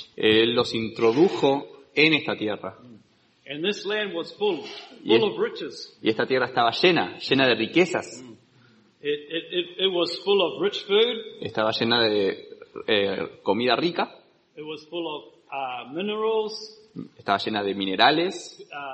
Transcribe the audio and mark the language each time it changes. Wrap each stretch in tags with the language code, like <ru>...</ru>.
<es>Él los introdujo en esta tierra.</es> <en>And this land was full of riches.</en> <es>Y esta tierra estaba llena de riquezas.</es> <en>It was full of rich food.</en> <es>Estaba llena de comida rica.</es> <en>It was full of minerals.</en> <es>Estaba llena de minerales.</es>